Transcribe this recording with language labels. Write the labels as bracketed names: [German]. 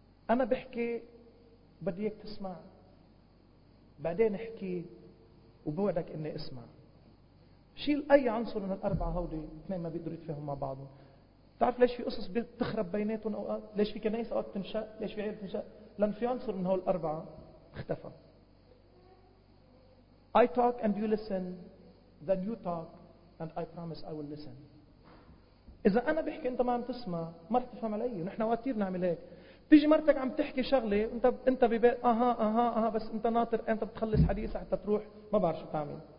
[Arabic] انا بحكي بديك تسمع، بعدين احكي وبوعدك اني اسمع. شيل اي عنصر من الاربعه هودي، اثنين ما بيقدروا يتفاهموا مع بعضهم. تعرف ليش في قصص بتخرب بيناتهم اوقات؟ ليش في كنائس اوقات تنشا؟ ليش في عيلة تنشا؟ لأن في عنصر من هؤلاء الأربعة اختفى. [English] I talk and you listen, then you talk and I promise I will listen. [Arabic] إذا أنا بحكي أنت ما عم تسمع ما رح تفهم علي. ونحن كتير نعمل هيك. تيجي مرتك عم تحكي شغلة أنت ببيت أها أها أها، بس أنت ناطر أنت بتخلص حديث حتى تروح ما بعرف شو تعمل.